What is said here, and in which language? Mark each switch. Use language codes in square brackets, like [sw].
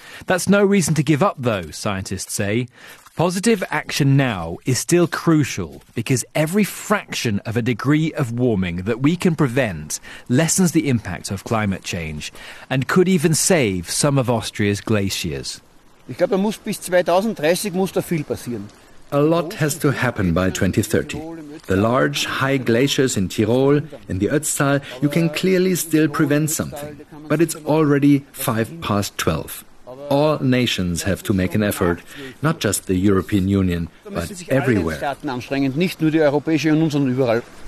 [en] That's no reason to give up, though, scientists say. Positive action now is still crucial because every fraction of a degree of warming that we can prevent lessens the impact of climate change and could even save some of Austria's glaciers. [de] Ich glaube, da muss bis 2030 muss da viel passieren. [en] A lot has to happen by 2030. The large, high glaciers in Tirol, in the Ötztal, you can clearly still prevent something. But it's already 12:05. All nations have to make an effort, not just the European Union, but everywhere. [de] Nicht nur die Europäische Union, sondern überall.